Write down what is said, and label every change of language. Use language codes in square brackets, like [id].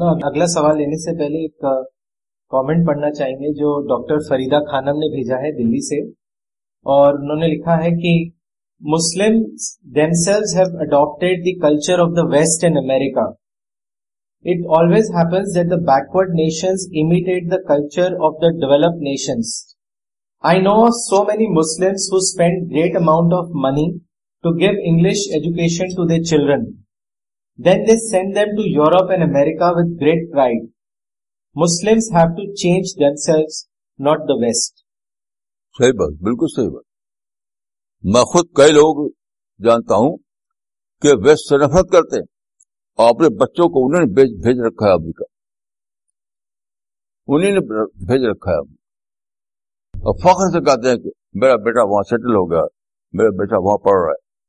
[ur] اگلا سوال لینے سے پہلے ایک کامنٹ پڑھنا چاہیں گے جو ڈاکٹر فریدہ خانم نے بھیجا ہے دلی سے, اور انہوں نے لکھا ہے کہ مسلم [en] themselves have adopted the culture of the west in America. It always happens that the backward nations imitate the culture of the developed nations. I know so many Muslims who spend great amount of money to give English education to their children. Then they send them to Europe and America with great pride. Muslims have to change themselves, not the West. [ur] صحیح بات, بالکل صحیح بات. میں خود کئی لوگ جانتا ہوں کہ ویسٹ سے نفرت کرتے ہیں, اپنے بچوں کو انہوں نے بھیج رکھا ہے امریکہ, انہیں بھیج رکھا ہے, اور فخر سے کہتے ہیں کہ میرا بیٹا وہاں سیٹل ہو گیا, میرا بیٹا وہاں پڑھ رہا ہے.